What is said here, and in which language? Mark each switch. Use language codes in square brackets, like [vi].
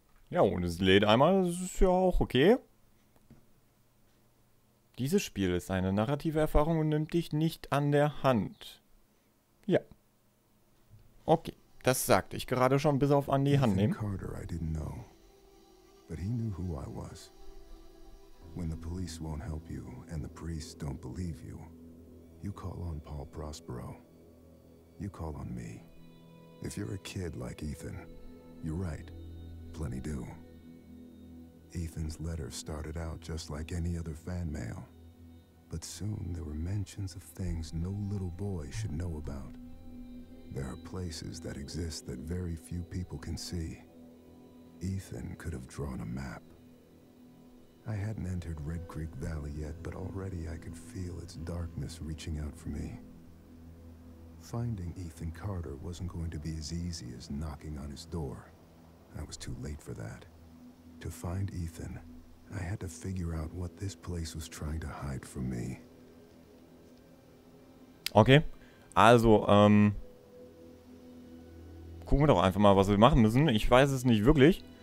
[de] Ja, und es lädt einmal, das ist ja auch okay. Dieses Spiel ist eine narrative Erfahrung und nimmt dich nicht an der Hand. Ja. Okay, das sagte ich gerade schon, bis auf an die Hand nehmen. [en] Ethan Carter, I didn't know. But he knew who I was. When the police won't help you and the priests don't believe you, you call on Paul Prospero. You call on me. If you're a kid like Ethan, you're right. Plenty do. Ethan's letter started out just like any other fan mail, but soon there were mentions of things no little boy should know about. There are places that exist that very few people can see. Ethan could have drawn a map. I hadn't entered Red Creek Valley yet, but already I could feel its darkness reaching out for me. Finding Ethan Carter wasn't going to be as easy as knocking on his door. I was too late for that. To find Ethan, I had to figure out what this place was trying to hide from me. [de] Okay, also, gucken wir doch einfach mal, was wir machen müssen. Ich weiß es nicht wirklich.